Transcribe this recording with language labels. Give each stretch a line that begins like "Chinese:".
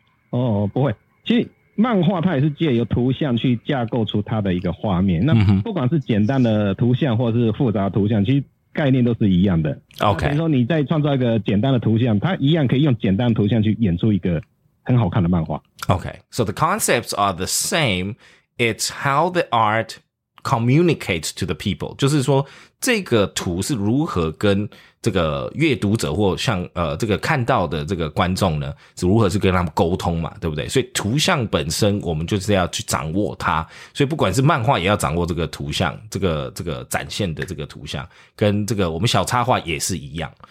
Chinese: 哦，不会。其实漫画它也是借由图像去架构出它的一个画面，那不管是简单的图像或是复杂的图像，其实概念都是一样的。
English: OK，
Chinese: 比如说你在创造一个简单的图像，它一样可以用简单的图像去演出一个很好看的漫画。
English: OK， so the concepts are the same. It's how the art communicates to the people.
Chinese: 就是说，这个图是如何跟这个阅读者或像这个看到的这个观众呢，是如何去跟他们沟通嘛，对不对？所以图像本身，我们就是要去掌握它。所以不管是漫画，也要掌握这个图像，这个展现的这个图像，跟这个我们小插画也是一样。